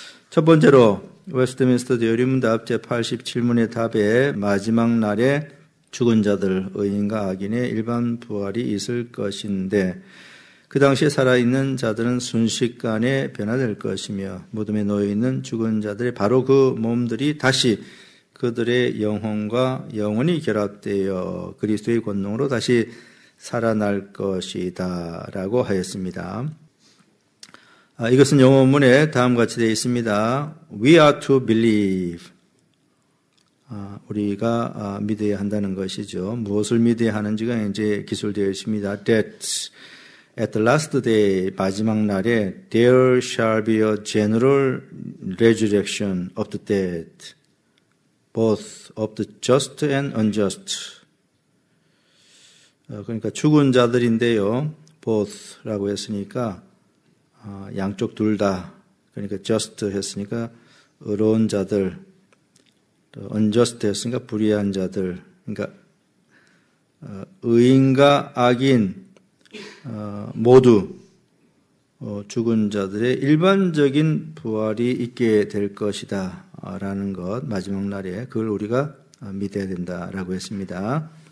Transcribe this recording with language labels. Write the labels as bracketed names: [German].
[Korean] 첫 번째로 웨스트민스터 대오리 문답 제87문의 답에 마지막 날에 죽은 자들, 의인과 악인의 일반 부활이 있을 것인데 그 당시 살아있는 자들은 순식간에 변화될 것이며 무덤에 놓여있는 죽은 자들의 바로 그 몸들이 다시 그들의 영혼과 영원히 결합되어 그리스도의 권능으로 다시 살아날 것이다 라고 하였습니다. 이것은 영어문에 다음과 같이 되어 있습니다. [English] We are to believe. [Korean] 우리가 믿어야 한다는 것이죠. 무엇을 믿어야 하는지가 이제 기술되어 있습니다. [English] That's At the last day, [Korean] 마지막 날에 [English] there shall be a general resurrection of the dead, both of the just and unjust. [Korean] 그러니까 죽은 자들인데요, both라고 했으니까 양쪽 둘 다, 그러니까 just 했으니까 의로운 자들, unjust 했으니까 불의한 자들, 그러니까 의인과 악인, 모두 죽은 자들의 일반적인 부활이 있게 될 것이다 라는 것, 마지막 날에 그걸 우리가 믿어야 된다라고 했습니다.